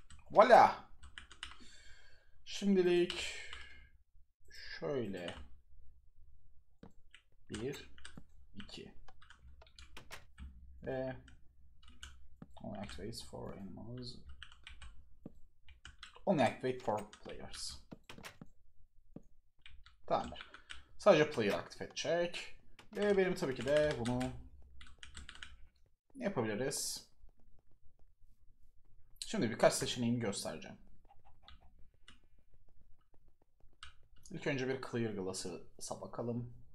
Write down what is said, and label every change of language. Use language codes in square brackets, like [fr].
[tr] Voila! Şimdilik şöyle 1 2 ve [en] only activate for animals. Only activate for players. [tr] Tamamdır. Sadece player aktive edecek. Ve benim tabii ki de bunu ne yapabiliriz? Şimdi birkaç seçeneğimi göstereceğim. İlk önce bir clear glass'a bakalım.